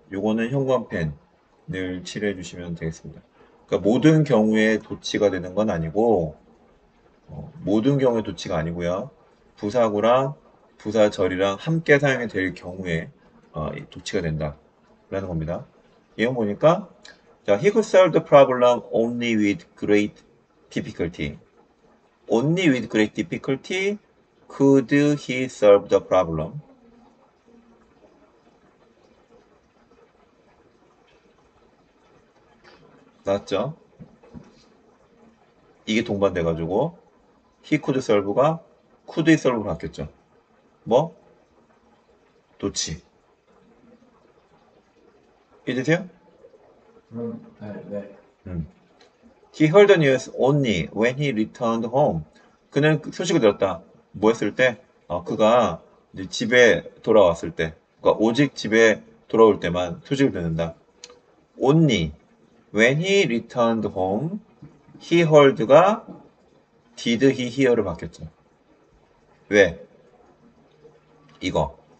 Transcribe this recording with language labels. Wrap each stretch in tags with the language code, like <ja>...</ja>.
<ko>요거는 형광펜을 칠해 주시면 되겠습니다. 그러니까 모든 경우에 도치가 되는 건 아니고 모든 경우에 도치가 아니고요. 부사구랑 부사절이랑 함께 사용이 될 경우에 도치가 된다라는 겁니다. 이거 보니까 자,</ko> <en>he could solve the problem only with great difficulty. Only with great difficulty Could he solve the problem?</en> <ko>맞죠? 이게 동반돼가지고</ko> <en>he could solve</en> <ko>가</ko> <en>could he solve</en> <ko>로 바뀌었죠. 뭐? 도치. 이해되세요? 네.</ko> <en>He heard the news only when he returned home.</en> <ko>그는 소식을 들었다. 뭐 했을 때? 그가 이제 집에 돌아왔을 때. 그러니까 오직 집에 돌아올 때만 소식을 듣는다.</ko> <en>Only when he returned home, he heard가 did he hear로</en> <ko>바뀌었죠. 왜? 이거.</ko>